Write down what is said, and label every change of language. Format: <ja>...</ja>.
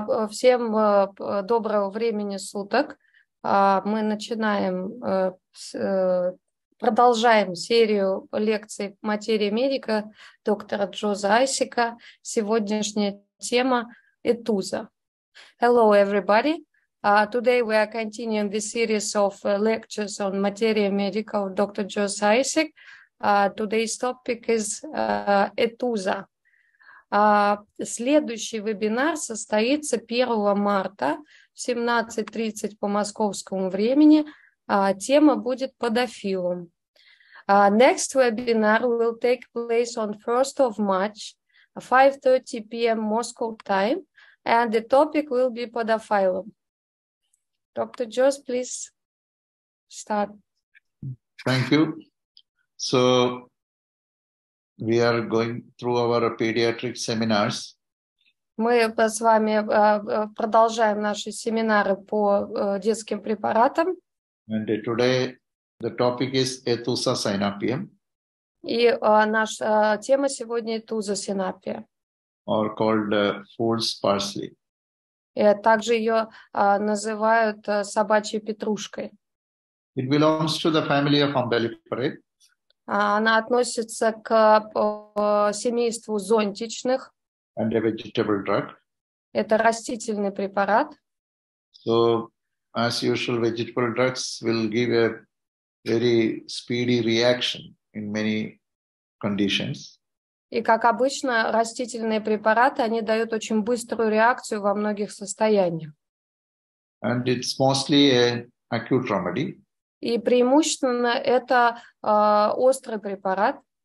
<ru>Всем доброго времени суток. Мы начинаем, продолжаем серию лекций «Материя медика» доктора Джоза Айсика. Сегодняшняя тема – этуза.</ru> <en>Hello, everybody. Today we are continuing this series of lectures on</en> <ru>«Материя медика» доктора Джоза Айсика.</ru> <en>Today's topic is ETUSA.</en> <ru>Следующий вебинар состоится 1 марта в 17:30 по московскому времени. Тема будет подофилом.</ru> <en>Next webinar will take place on 1st of March, 5:30 p.m. Moscow time, and the topic will be подофилом. Dr. Jos, please start. Thank you. So we are going through our pediatric seminars.</en> <ru>Мы с вами продолжаем наши семинары по детским препаратам.</ru> <en>And today the topic is etusasynapium.</en> <ru>И наша тема сегодня этузасинапия.</ru> <en>Or called fool's parsley.</en> <ru>И также ее называют собачьей петрушкой.</ru> <en>It belongs to the family of umbelliferae.</en> <ru>Она относится к семейству зонтичных.</ru> <en>And a vegetable drug.</en> <ru>Это растительный препарат.</ru> <en>So, as usual, vegetable drugs will give a very speedy reaction in many conditions.</en> <ru>И как обычно, растительные препараты, они дают очень быструю реакцию во многих состояниях.</ru> <en>And it's mostly an acute remedy.</en> <ru>И преимущественно это острый препарат.</ru>